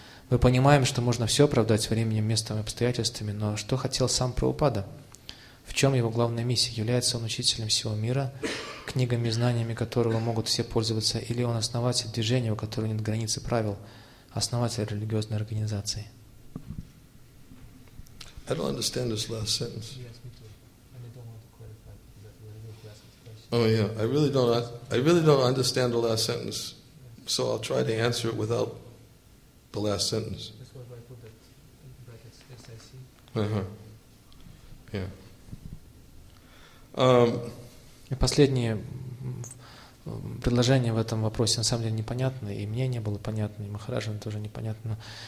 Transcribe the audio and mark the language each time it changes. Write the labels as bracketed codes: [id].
[ru] Мы понимаем, что можно все оправдать временем, местом и обстоятельствами, но что хотел сам Прабхупада? В чем его главная миссия? Является он учителем всего мира, книгами и знаниями которого могут все пользоваться, или он основатель движения, у которого нет границ и правил, основатель религиозной организации? [en] I don't understand this last sentence. Yes, me too. And I don't want to clarify because I really don't ask questions. Oh, yeah. I really don't understand the last sentence. So I'll try to answer it without the last sentence. That's why I put that in brackets, S-I-C. Uh-huh. Yeah. [ru] И последнее предложение в этом вопросе на самом деле непонятно, и мне не было понятно, и Махараджу тоже непонятно.